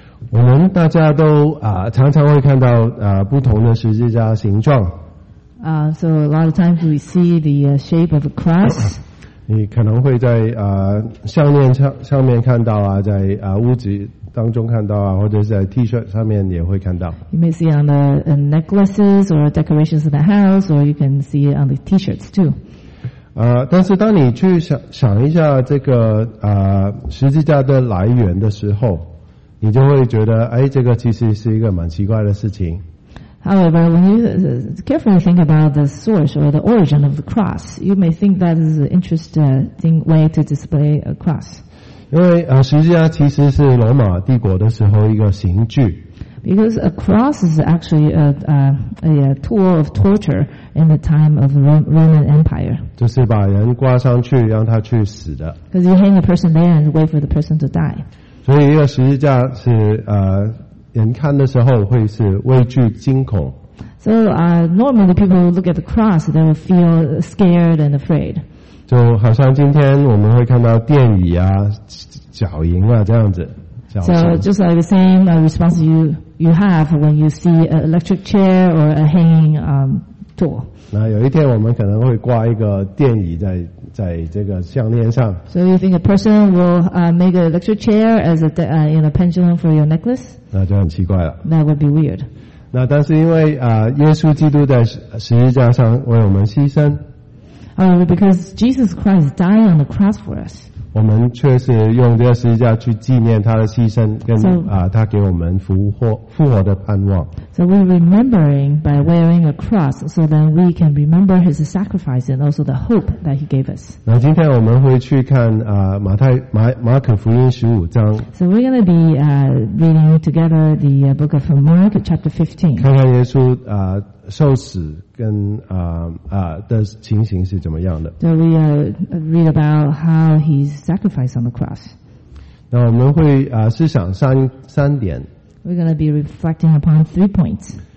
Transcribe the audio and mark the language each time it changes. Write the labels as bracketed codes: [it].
[zh] 我们大家都常常会看到不同的十字架形状。 [en] So a lot of times we see the shape of a cross. [zh] 你可能会在项链上面看到啊，在屋子当中看到啊，或者是在 T-shirt 上面也会看到。 [en] You may see on the necklaces or decorations in the house, or you can see it on the T-shirts too. [zh] 但是当你去想一下这个十字架的来源的时候，你就会觉得，哎，这个其实是一个蛮奇怪的事情。 [en] However, when you carefully think about the source or the origin of the cross, you may think that is an interesting way to display a cross. [zh] 因为十字架其实是罗马帝国的时候一个刑具。 [en] Because a cross is actually a tool of torture in the time of the Roman Empire. [zh] 就是把人挂上去，让他去死的。 [en] Because you hang a person there and wait for the person to die. [zh] 所以一个十字架是人看的时候会是畏惧惊恐。 [en] So normally people look at the cross, they will feel scared and afraid. [zh] 就好像今天我们会看到电椅啊、脚银啊这样子。 [en] So just like the same response you have when you see an electric chair or a hanging tool. [zh] 那有一天我们可能会挂一个电椅在这个项链上。 [en] So you think a person will make an electric chair as a pendulum for your necklace? [zh] 那就很奇怪了。 [en] That would be weird. [zh] 那但是因为耶稣基督在十字架上为我们牺牲。 [en] Because Jesus Christ died on the cross for us. [zh] 我们确实用这个十字架去纪念他的牺牲跟他给我们复活的盼望。 [en] So we're remembering by wearing a cross so then we can remember his sacrifice and also the hope that he gave us. [zh] 那今天我们会去看马可福音十五章。 [en] So we're going to be reading together the book of Mark chapter 15. [zh] 看看耶稣受死跟的情形是怎么样的。 [en] So we read about how he's sacrificed on the cross. [zh] 那我们会思想三点。 [en] We're going to be reflecting upon three points.